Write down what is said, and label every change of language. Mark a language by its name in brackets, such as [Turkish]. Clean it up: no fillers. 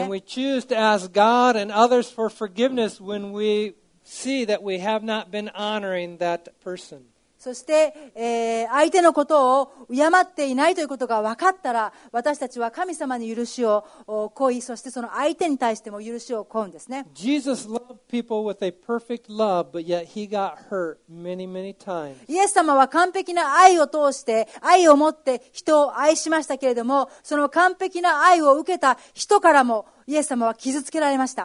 [English] And we choose to ask God and others for forgiveness when we see that we have not been honoring that person. [Japanese] そして、相手のことを敬っていないということが分かったら、私たちは神様に許しを請い、そしてその相手に対しても許しを請うんですね。 [English] Jesus loved people with a perfect love, but yet he got hurt many, many times. [Japanese] イエス様は完璧な愛を通して、愛を持って人を愛しましたけれども、その完璧な愛を受けた人からもイエス様は傷つけられました。